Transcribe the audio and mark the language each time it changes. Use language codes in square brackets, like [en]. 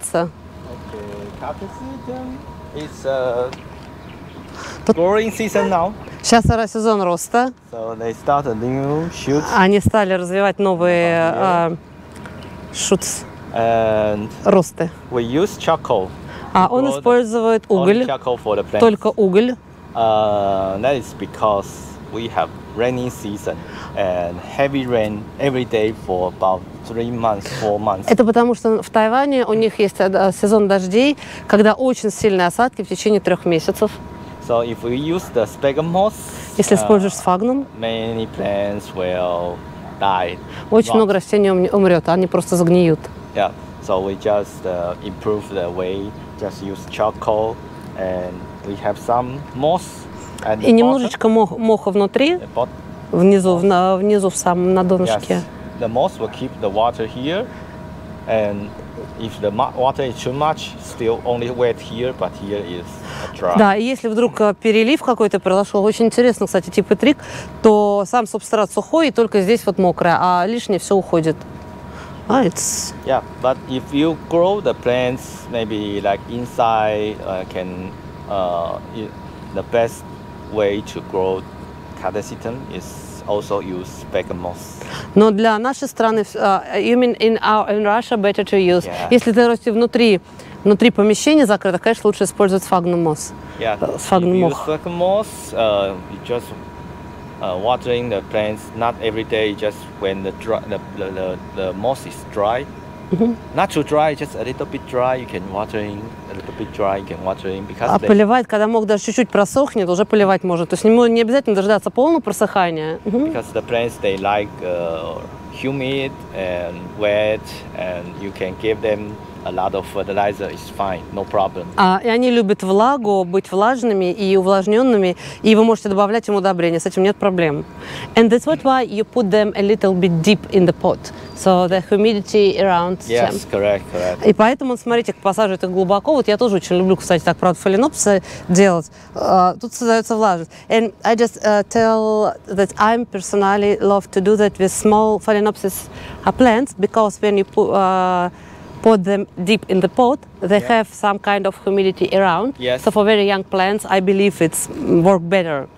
[ru] Сейчас сезон роста. [en] So they start a new shoot. [ru] Они стали развивать новые шуты. Росты. [en] We use charcoal. [ru] А он использует уголь, только уголь. [en] That is because we have rainy season and heavy rain every day for about 3 months, 4 months. [ru] Это потому что в Тайване у них есть сезон дождей, когда очень сильные осадки в течение 3 месяцев. [en] So if we use the sphagnum moss, [ru] если используешь сфагнум, [en] many plants will die. [ru] Очень много растений умрет, они просто загниют. [en] Yeah, so we just improve the way, just use charcoal, and we have some moss. And [ru] и немножечко моха внутри, внизу в самом на донышке. [en] Yes, the moss will keep the water here, and if the water is too much, still only wet here, but here is dry. [ru] Да, и если вдруг перелив какой-то произошел, очень интересно, кстати, тип и трик, то сам субстрат сухой, и только здесь вот мокрое, а лишнее все уходит. [en] Ah, it's... Yeah, but if you grow the plants maybe like inside, can the best way to grow catasetum is also use sphagnum moss. [ru] Но для нашей страны, [en] you mean in Russia better to use. Yeah. [ru] Если ты растешь внутри помещения закрытых, конечно, лучше использовать сфагнум мох. [en] Yeah. [ru] Сфагнум мох. [en] Use sphagnum moss. You just watering the plants not every day, just when the moss is dry. Mm-hmm. Not too dry, just a little bit dry, you can watering, a little bit dry, you can watering because [ru] А поливать, когда мох даже чуть-чуть просохнет, уже поливать можно. То есть ему не обязательно дождаться полного просыхания. Mm-hmm. [en] Because the plants they like humid and wet, and you can give them a lot of fertilizer is fine, no problem. [ru] И они любят влагу, быть влажными и увлажненными, и вы можете добавлять им удобрения, с этим нет проблем. [en] And that's what why you put them a little bit deep in the pot, so the humidity around yes, them. Yes, correct, correct. [ru] И поэтому, смотрите, посаживают их глубоко. Вот я тоже очень люблю, кстати, так, правда, фаленопсы делать. Тут создается влажность. [en] And I just tell that I personally love to do that with small phalaenopsis plants, because when you put them deep in the pot, they yeah. have some kind of humidity around. Yes. So for very young plants, I believe it's work better.